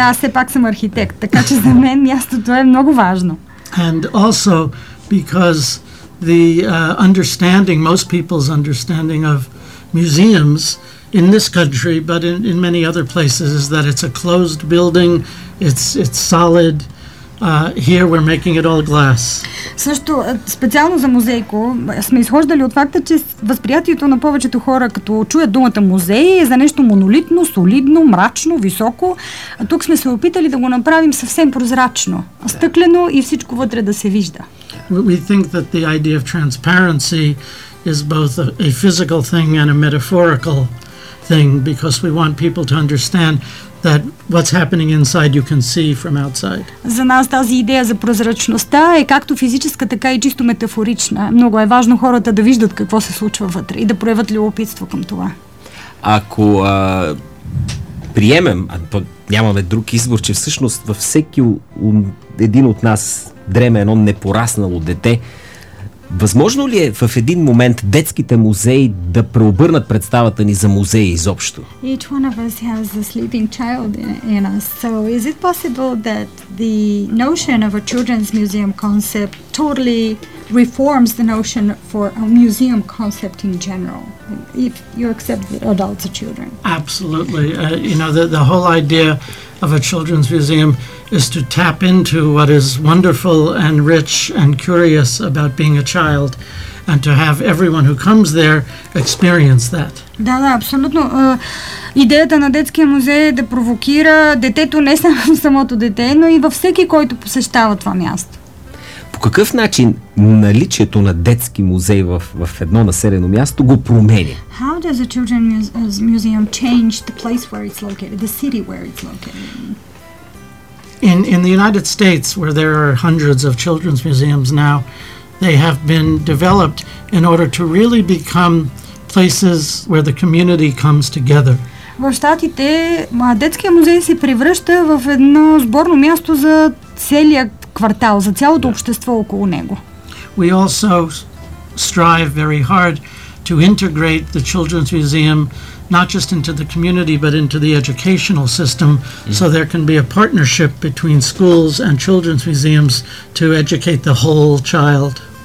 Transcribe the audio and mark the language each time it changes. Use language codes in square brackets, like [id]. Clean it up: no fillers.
[bg] Аз все пак съм архитект, така че за мен мястото е много важно. [en] And also because the understanding, most people's understanding of museums in this country, but in many other places, is that it's a closed building, it's solid. Here we're making it all glass. [bg] Също специално за музейко сме изхождали от факта, че възприятието на повечето хора, като чуят думата музей, е за нещо монолитно, солидно, мрачно, високо. Тук сме се опитали да го направим съвсем прозрачно, стъклено и всичко вътре да се вижда. [en] We think that the idea of transparency is both a physical thing and a metaphorical thing, because we want people to understand that what's happening inside you can see from outside. [bg] За нас тази идея за прозрачността е както физическа, така и чисто метафорична. Много е важно хората да виждат какво се случва вътре и да проявят любопитство към това. Ако приемем, а то нямаме друг избор, че всъщност във всеки един от нас дреме едно непораснало дете, възможно ли е в един момент детските музеи да преобърнат представата ни за музеи изобщо? [en] Each one of us has a sleeping child in us. So is it possible that the notion of a children's museum concept totally reforms the notion for a museum concept in general? If you accept that adults are children. Absolutely. You know, the whole idea of a children's museum is to tap into what is wonderful and rich and curious about being a child and to have everyone who comes there experience that. [bg] Да, да, абсолютно. Идеята на детския музей е да провокира детето не само самото дете, но и във всеки, който посещава това място. По какъв начин наличието на детски музей в едно населено място го променя? [en] How does a children's museum change the place where it's located, the city where it's located? In the United States, where there are hundreds of children's museums now, they have been developed in order to really become places where the community comes together. [bg] В Штатите детският музей се превръща в едно сборно място за целия квартал, за цялото общество около него. [en] We also strive very hard to integrate the children's museum not just into the community but into the educational system, so there can be a partnership between schools and children's museums to educate the whole child.